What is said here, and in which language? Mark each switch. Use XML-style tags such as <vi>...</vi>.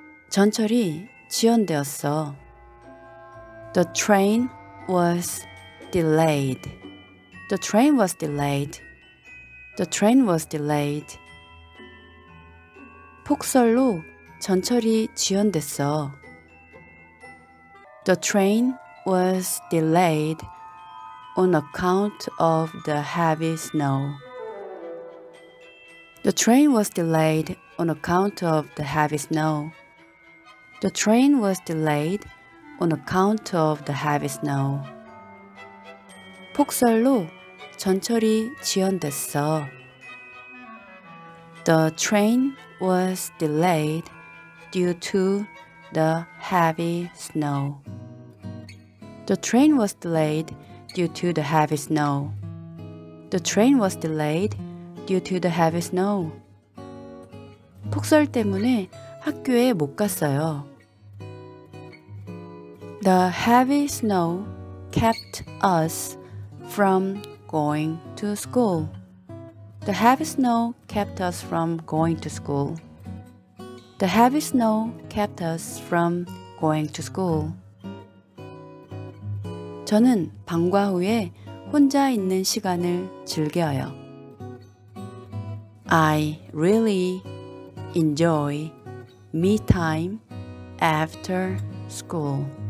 <ko>전철이 지연되었어.</ko> <en>The train was delayed. The train was delayed. The train was delayed.</en> <ko>폭설로 전철이 지연됐어.</ko> <en>The train was delayed on account of the heavy snow. The train was delayed on account of the heavy snow. The train was delayed on account of the heavy snow.</en> <ko>폭설로 전철이 지연됐어.</ko> <en>The train was delayed due to the heavy snow. The train was delayed due to the heavy snow. The train was delayed due to the heavy snow.</en> <ko>폭설 때문에 학교에 못 갔어요.</ko> <en>The heavy snow kept us from going to school. The heavy snow kept us from going to school. The heavy snow kept us from going to school.</en> <ko>저는 방과 후에 혼자 있는 시간을 즐겨요.</ko> <en>I really enjoy me time after school.</en>